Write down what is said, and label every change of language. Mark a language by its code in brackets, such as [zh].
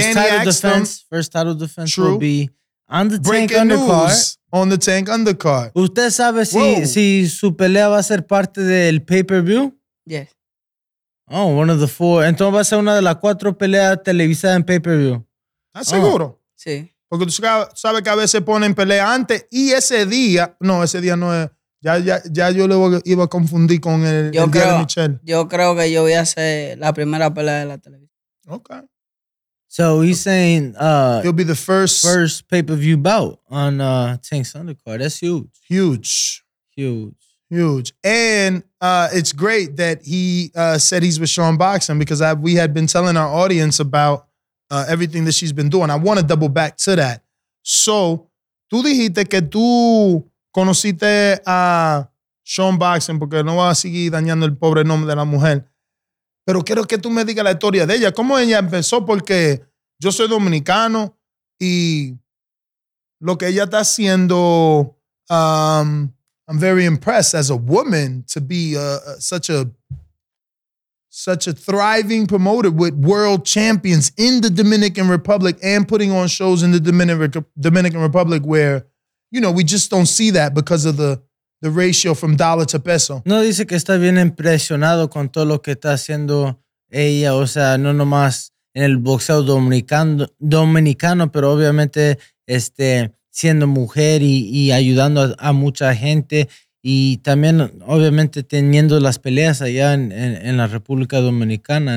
[en] First title defense true. Will be on the Breaking tank undercard. On the tank undercard. [es] ¿Usted sabe si su pelea va a ser parte del pay-per-view? [en] Yes. Oh, one of the four. [es] Entonces va a ser una de las cuatro peleas televisadas en pay-per-view. ¿Estás seguro? Sí. Porque tú sabes que a veces ponen pelea antes y ese día no es. Ya yo lo iba a confundir con el día de Michelle. Yo creo que yo voy a hacer la primera pelea de la televisión. [en] Okay. So he's saying... It'll be the first pay-per-view bout on Tank's undercard. That's huge. Huge. Huge. Huge. And it's great that he said he's with Sean Boxing because we had been telling our audience about everything that she's been doing. I want to double back to that. So, [es] tú dijiste que tú... Conociste a Sean Boxing, porque no va a seguir dañando el pobre nombre de la mujer. Pero quiero que tú me digas la historia de ella. ¿Cómo ella empezó? Porque yo soy dominicano y lo que ella está haciendo, [en] I'm very impressed as a woman to be such a thriving promoter with world champions in the Dominican Republic and putting on shows in the Dominican Republic where... You know, we just don't see that because of the ratio from dollar to peso. [es] No, dice que está bien impresionado con todo lo que está haciendo ella. O sea, no nomás en el boxeo dominicano, pero obviamente siendo mujer y ayudando a mucha gente. Y también, obviamente, teniendo las peleas allá en la República Dominicana.